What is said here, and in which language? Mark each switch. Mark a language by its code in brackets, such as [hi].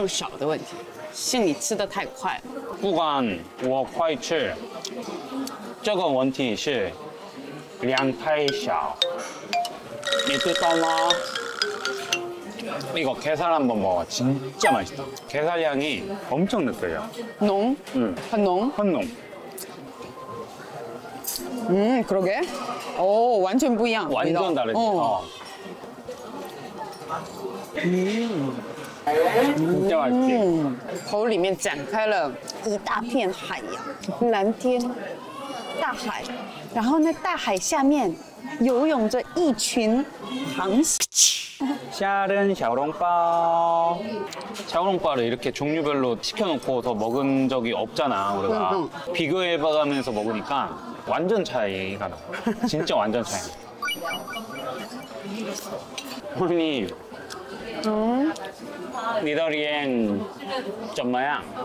[zh] 这不是量少的问题是你吃的太快不管我快吃 这个问题是 量太小 你知道吗? [ko] 이거 게살 한번 먹어 진짜 맛있다 게살 향이 엄청 느껴져 농? 응 한농? 한농 그러게 오 완전 [zh] 不一样 [ko] 완전 다르지 어. 진짜 맛있지 [zh] 口里面 展开了一大片海洋蓝天大海然后那大海下面游泳着一群螃蟹 [ko] 샤른 샤오롱바오 샤오롱바오를 이렇게 종류별로 시켜놓고 더 먹은 적이 없잖아 우리가 비교해봐가면서 먹으니까 완전 차이가 나 진짜 완전 차이 언니 [zh] 니더리엔 점마야